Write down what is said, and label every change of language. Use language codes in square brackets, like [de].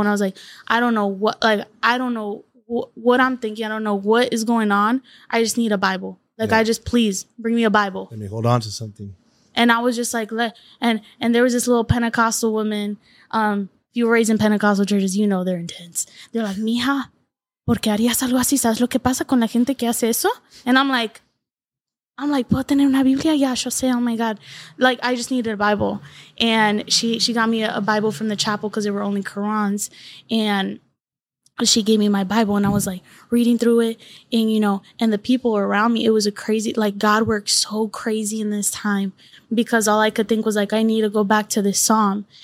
[en] And I was like, I don't know what I'm thinking. I don't know what is going on. I just need a Bible. Like, yeah. I just, please bring me a Bible. Let me hold on to something. And I was just like, and there was this little Pentecostal woman. If you were raised in Pentecostal churches, you know they're intense. They're like, [es] mija, ¿por qué harías algo así? ¿Sabes lo que pasa con la gente que hace eso? [en] And I'm like, [es] ¿puedo tener una Biblia? [en] Yeah, she'll say, oh my God. Like, I just needed a Bible. And she got me a Bible from the chapel because there were only Qurans. And she gave me my Bible and I was like reading through it, and you know, and the people around me, it was a crazy, like God worked so crazy in this time, because all I could think was like, I need to go back to this Psalm.